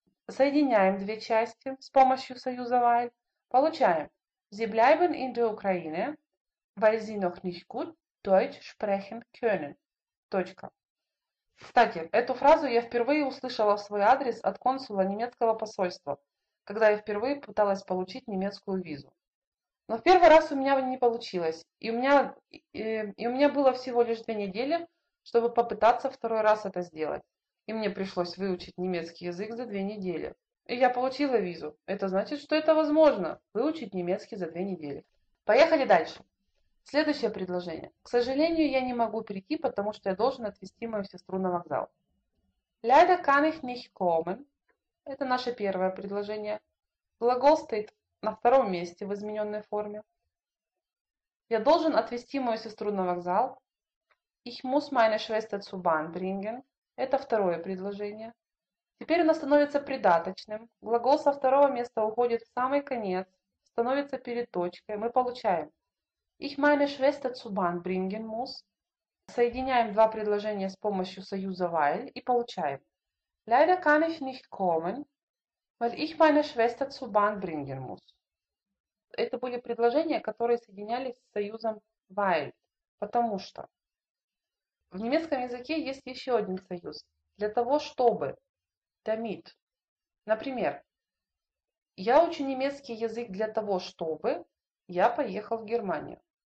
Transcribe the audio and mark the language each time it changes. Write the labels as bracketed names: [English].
[Russian] Соединяем две части с помощью союза weil. Получаем. [German] Sie bleiben in der Ukraine, weil sie noch nicht gut Deutsch sprechen können. [Russian] Точка. Кстати, эту фразу я впервые услышала в свой адрес от консула немецкого посольства, когда я впервые пыталась получить немецкую визу. Но в первый раз у меня не получилось, и у меня было всего лишь 2 недели, чтобы попытаться второй раз это сделать. И мне пришлось выучить немецкий язык за 2 недели. И я получила визу. Это значит, что это возможно, выучить немецкий за 2 недели. Поехали дальше. Следующее предложение. К сожалению, я не могу прийти, потому что я должен отвезти мою сестру на вокзал. [German] Leider kann ich nicht kommen. [Russian] Это наше первое предложение. Глагол стоит на втором месте в измененной форме. Я должен отвезти мою сестру на вокзал. [German] Ich muss meine Schwester zur Bahn bringen. [Russian] Это второе предложение. Теперь оно становится придаточным. Глагол со второго места уходит в самый конец, становится перед точкой. Мы получаем. [German] Ich meine Schwester zur Bahn bringen muss. [Russian] Соединяем два предложения с помощью союза weil и получаем. [German] Leider kann ich nicht kommen, weil ich meine Schwester zur Bahn bringen muss. [Russian] Это были предложения, которые соединялись с союзом weil, потому что. В немецком языке есть еще один союз. Для того, чтобы. Damit. Например, я учу немецкий язык для того, чтобы я поехал в Германию.